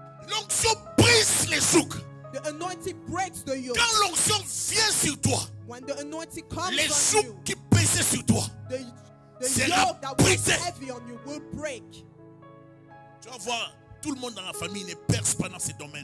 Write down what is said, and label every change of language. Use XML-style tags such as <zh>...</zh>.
<fr>L'onction brise les jougs.</fr> <en>The anointing breaks the yoke.</en> <fr>Quand l'onction vient sur toi,</fr> <en>when the anointing comes,</en> <fr>les jougs qui pèsent sur toi,</fr> <en>the yoke that was heavy on you will break.</en> <fr>Tu vas voir, tout le monde dans la famille ne perce pas dans ce domaine.</fr>